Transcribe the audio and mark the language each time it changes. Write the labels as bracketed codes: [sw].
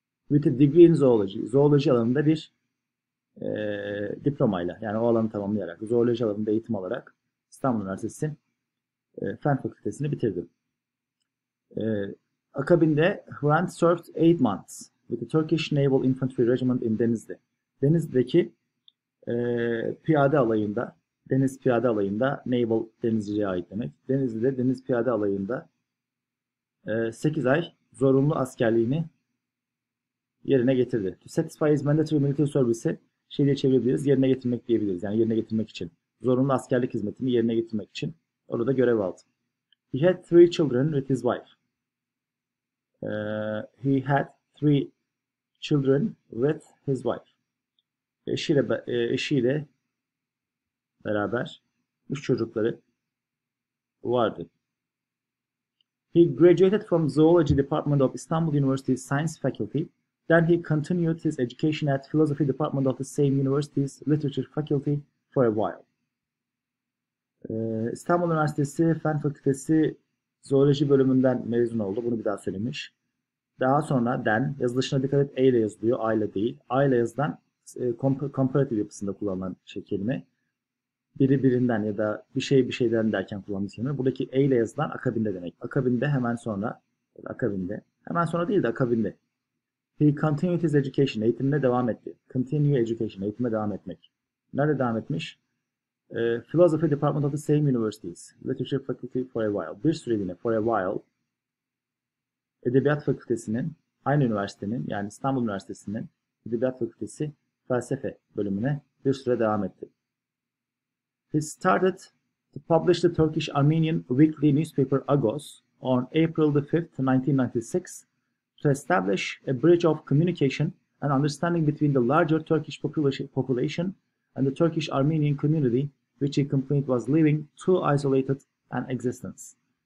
[en] With a degree in zoology. [tr] Zooloji alanında bir diplomayla, yani o alanı tamamlayarak, zooloji alanında eğitim alarak İstanbul Üniversitesi fen fakültesini bitirdim. [en] Akabinde Grant served 8 months with the Turkish Naval Infantry Regiment in Denizli. [tr] Denizli'deki piyade alayında, deniz piyade alayında, Naval denizciye ait demek. Denizli'de deniz piyade alayında 8 ay zorunlu askerliğini yerine getirdi. [en] To satisfy his mandatory military service'i [tr] şey diye çevirebiliriz, yerine getirmek diyebiliriz. Yani yerine getirmek için. Zorunlu askerlik hizmetini yerine getirmek için orada görev aldı. [en] He had 3 children with his wife. He had 3 children with his wife. [tr] Eşiyle beraber 3 çocukları vardı. [en] He graduated from Zoology Department of Istanbul University Science Faculty. Then he continued his education at Philosophy Department of the same university's Literature Faculty for a while. [tr] İstanbul Üniversitesi Fen Fakültesi Zooloji bölümünden mezun oldu. Bunu bir daha söylemiş. Daha sonra then, yazılışına dikkat et, A ile yazılıyor, A ile değil. A ile yazılan comparative yapısında kullanılan şey kelime. Biri birinden ya da bir şey bir şeyden derken kullanılmış kelime. Buradaki A ile yazılan akabinde demek. Akabinde hemen sonra, akabinde. Hemen sonra değil de akabinde. [en] He continued his education, [tr] eğitimine devam etti. [en] Continue education, [tr] eğitime devam etmek. Nerede devam etmiş? [en] Philosophy Department of the same universities. Literature Faculty for a while. [tr] Bir süreliğine [en] for a while. [tr] Edebiyat Fakültesinin, aynı üniversitenin, yani İstanbul Üniversitesi'nin Edebiyat Fakültesi Felsefe bölümüne bir süre devam etti. [en] He started to publish the Turkish-Armenian weekly newspaper Agos on April the 5th, 1996. To establish a bridge of communication and understanding between the larger Turkish population and the Turkish Armenian community, which he complained was living too isolated an existence.